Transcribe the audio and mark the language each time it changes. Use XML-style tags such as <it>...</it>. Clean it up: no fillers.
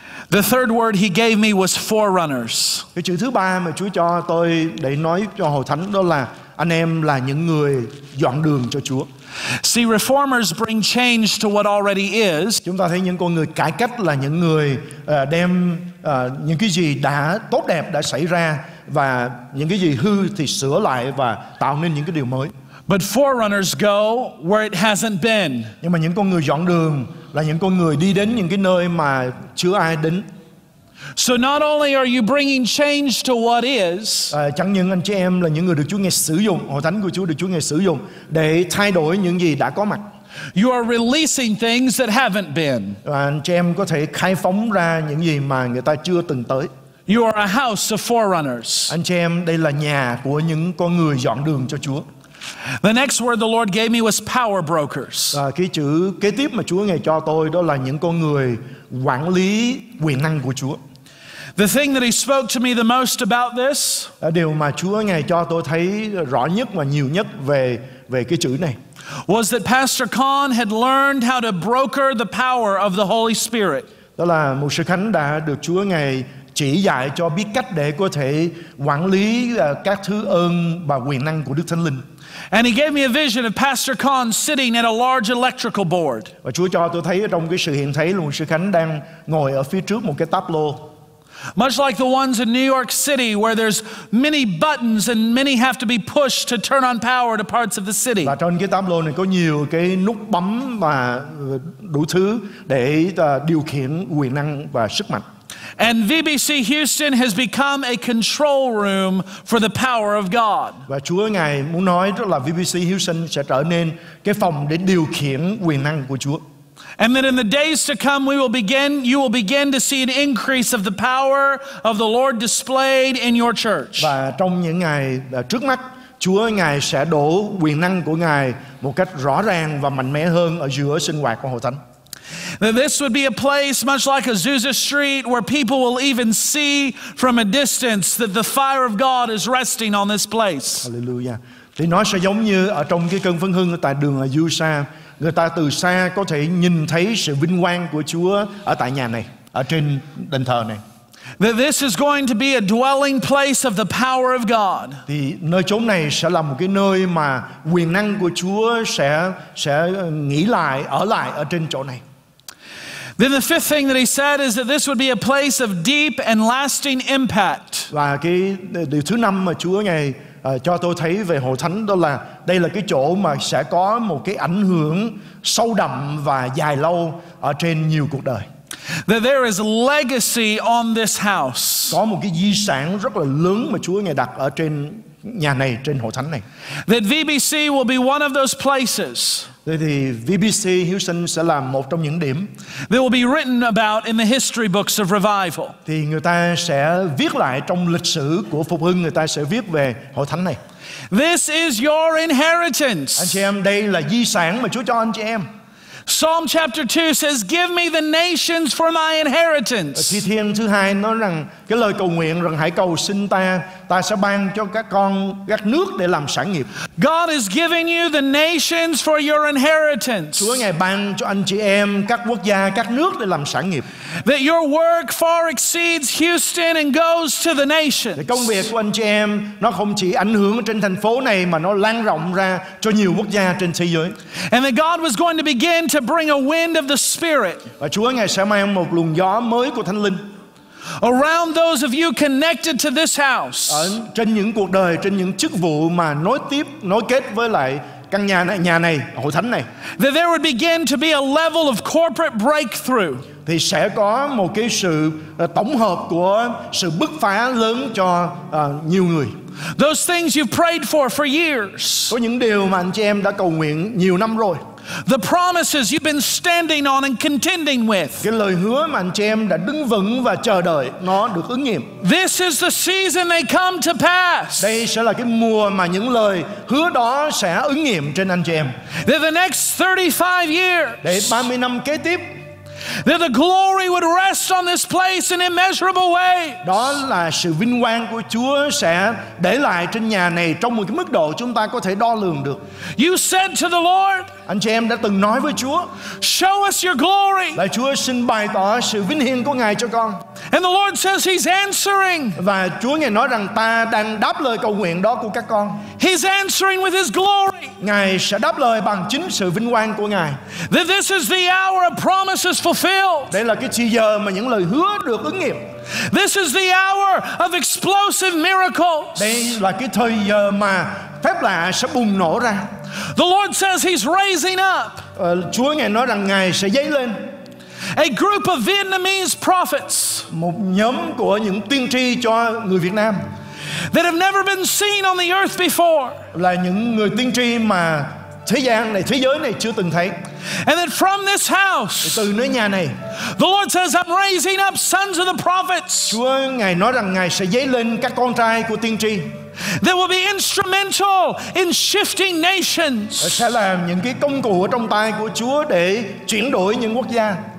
<en>The third word he gave me was forerunners.</en> <vi>Cái chữ thứ ba mà Chúa cho tôi để nói cho hội thánh đó là anh em là những người dọn đường cho Chúa.</vi> <en>See, reformers bring change to what already is.</en> <vi>Chúng ta thấy những con người cải cách là những người đem những cái gì đã tốt đẹp đã xảy ra và những cái gì hư thì sửa lại và tạo nên những cái điều mới.</vi> <en>But forerunners go where it hasn't been.</en> <vi>Nhưng mà những con người dọn đường là những con người đi đến những cái nơi mà chưa ai đến.</vi> <en>So not only are you bringing change to what is,</en> <vi>chẳng những anh chị em là những người được Chúa ngài sử dụng, hội thánh của Chúa được Chúa ngài sử dụng để thay đổi những gì đã có mặt.</vi> <en>You are releasing things that haven't been.</en> <vi>Anh chị em có thể khai phóng ra những gì mà người ta chưa từng tới.</vi> <en>You are a house of forerunners.</en> <vi>Anh chị em, đây là nhà của những con người dọn đường cho Chúa.</vi> <en>The next word the Lord gave me was power brokers.</en> <vi>Cái chữ kế tiếp mà Chúa ngài cho tôi đó là những con người quản lý quyền năng của Chúa.</vi> <en>The thing that he spoke to me the most about this,</en> <vi>điều mà Chúa ngài cho tôi thấy rõ nhất và nhiều nhất về cái chữ này,</vi> <en>was that Pastor Khan had learned how to broker the power of the Holy Spirit.</en> <vi>Đó là Mục sư Khánh đã được Chúa ngài chỉ dạy cho biết cách để có thể quản lý các thứ ơn và quyền năng của Đức Thánh Linh.</vi> <en>And he gave me a vision of Pastor Khan sitting at a large electrical board.</en> <vi>Và Chúa cho tôi thấy trong cái sự hiện thấy là Mục sư Khánh đang ngồi ở phía trước một cái táp lô.</vi> <en>Much like the ones in New York City where there's many buttons and many have to be pushed to turn on power to parts of the city.</en> <vi>Và trong cái táp lô này có nhiều cái nút bấm và đủ thứ để điều khiển quyền năng và sức mạnh.</vi> <en>And VBC Houston has become a control room for the power of God.</en> <vi>Và Chúa ngài muốn nói đó là VBC Houston sẽ trở nên cái phòng để điều khiển quyền năng của Chúa.</vi> <en>And then in the days to come, you will begin to see an increase of the power of the Lord displayed in your church.</en> <vi>Và trong những ngày trước mắt, Chúa ngài sẽ đổ quyền năng của ngài một cách rõ ràng và mạnh mẽ hơn ở giữa sinh hoạt của hội thánh.</vi> <en>This would be a place much like Azusa Street where people will even see from a distance that the fire of God is resting on this place. Hallelujah.</en> <vi>Thì nó sẽ giống như ở trong cái cơn phấn hưng ở tại đường Azusa, người ta từ xa có thể nhìn thấy sự vinh quang của Chúa ở tại nhà này, ở trên đền thờ này.</vi> <en>That this is going to be a dwelling place of the power of God.</en> <vi>Thì nơi chốn này sẽ là một cái nơi mà quyền năng của Chúa sẽ nghỉ lại, ở lại ở trên chỗ này.</vi> <en>Then the fifth thing that he said is that this would be a place of deep and lasting impact.</en> <vi>Và cái điều thứ năm mà Chúa ngài cho tôi thấy về hội thánh đó là đây là cái chỗ mà sẽ có một cái ảnh hưởng sâu đậm và dài lâu ở trên nhiều cuộc đời.</vi> <en>That there is legacy on this house.</en> <vi>Có một cái di sản rất là lớn mà Chúa ngài đặt ở trên nhà này, trên hội thánh này.</vi> <en>That VBC will be one of those places.</en> <vi>Thì VBC Houston sẽ là một trong những điểm.</vi> <en>They will be written about in the history books of revival.</en> <vi>Thì người ta sẽ viết lại trong lịch sử của phục hưng, người ta sẽ viết về hội thánh này.</vi> <en>This is your inheritance.</en> <vi>Anh chị em, đây là di sản mà Chúa cho anh chị em.</vi> <en>Psalm chapter 2 says, "Give me the nations for my inheritance."</en> <vi>Thi thiên thứ hai nói rằng cái lời cầu nguyện rằng hãy cầu xin ta sẽ ban cho các con các nước để làm sản nghiệp.</vi> <en>God is giving you the nations for your inheritance.</en> <vi>Chúa ngài ban cho anh chị em các quốc gia các nước để làm sản nghiệp.</vi> <en>That your work far exceeds Houston and goes to the nations.</en> <vi>Thì công việc của anh chị em nó không chỉ ảnh hưởng trên thành phố này mà nó lan rộng ra cho nhiều quốc gia trên thế giới.</vi> <en>And that God was going to begin to bring a wind of the Spirit.</en> <vi>Và Chúa ngài sẽ mang một luồng gió mới của Thánh Linh.</vi> <en>Around those of you connected to this house.</en> <vi>Ở trên những cuộc đời, trên những chức vụ mà nối tiếp, nối kết với lại căn nhà này, hội thánh này.</vi> <en>That there would begin to be a level of corporate breakthrough.</en> <vi>Thì sẽ có một cái sự tổng hợp của sự bứt phá lớn cho nhiều người.</vi> <en>Those things you've prayed for years.</en> <vi>Có những điều mà anh chị em đã cầu nguyện nhiều năm rồi.</vi> <en>The promises you've been standing on and contending with.</en> <vi>Cái lời hứa mà anh chị em đã đứng vững và chờ đợi nó được ứng nghiệm.</vi> <en>This is the season they come to pass.</en> <vi>Đây sẽ là cái mùa mà những lời hứa đó sẽ ứng nghiệm trên anh chị em.</vi> <en>They're the next 35 years.</en> <vi>Để 30 năm kế tiếp.</vi> <en>That the glory would rest on this place in immeasurable ways.</en> <vi>Đó là sự vinh quang của Chúa sẽ để lại trên nhà này trong một cái mức độ chúng ta có thể đo lường được.</vi> <en>You said to the Lord.</en> <vi>Anh chị em đã từng nói với Chúa.</vi> <en>Show us your glory.</en> <vi>Lạy Chúa, xin bày tỏ sự vinh hiển của Ngài cho con.</vi> <en>And the Lord says He's answering.</en> <vi>Và Chúa ngài nói rằng ta đang đáp lời cầu nguyện đó của các con.</vi> <en>He's answering with His glory.</en> <vi>Ngài sẽ đáp lời bằng chính sự vinh quang của Ngài.</vi> <en>That this is the hour of promises fulfilled.</en> <vi>Đây là cái thời giờ mà những lời hứa được ứng nghiệm.</vi> <en>This is the hour of explosive miracles.</en> <vi>Đây là cái thời giờ mà phép lạ sẽ bùng nổ ra.</vi> <en>The Lord says He's raising up.</en> <vi>Chúa ngài nói rằng ngài sẽ dấy lên.</vi> <en>A group of Vietnamese prophets.</en> <vi>Một nhóm của những tiên tri cho người Việt Nam.</vi> <en>That have never been seen on the earth before.</en> <vi>Là những người tiên tri mà thế gian này, thế giới này chưa từng thấy.</vi> <en>And that from this house.</en> <vi>Từ nơi nhà này.</vi> <en>The Lord says, I'm raising up sons of the prophets.</en> <vi>Chúa ngài nói rằng ngài sẽ dấy lên các con trai của tiên tri.</vi> <en>They will be instrumental in shifting nations.</en> <vi>Sẽ làm những cái công cụ ở trong tay của Chúa để chuyển đổi những quốc gia.</vi>